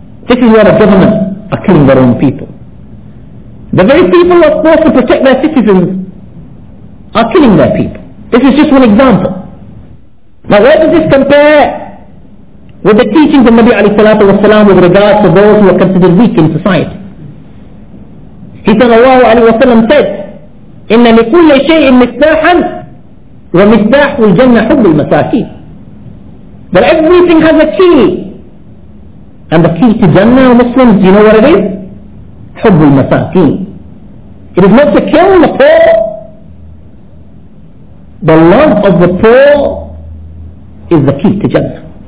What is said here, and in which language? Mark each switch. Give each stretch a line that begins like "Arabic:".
English: This is where the government are killing their own people. The very people who are supposed to protect their citizens are killing their people. This is just one example. Now where does this compare with the teachings of Nabi alayhi salatu wasalam with regards to those who are considered weak in society? He said, Allahu alayhi wa sallam said,
Arabic: إِنَّ لِكُلَّ شَيْءٍ مِصْبَاحًا وَمِصْبَاحُ الْجَنَّةُ حُبُّ الْمَسَاكِينَ.
English: But everything has a key. And the key to Jannah, Muslims, do you know what it is?
Arabic: حُبُّ الْمَسَاكِينَ.
English: It is not to kill the poor. The love of the poor is the key to Jannah.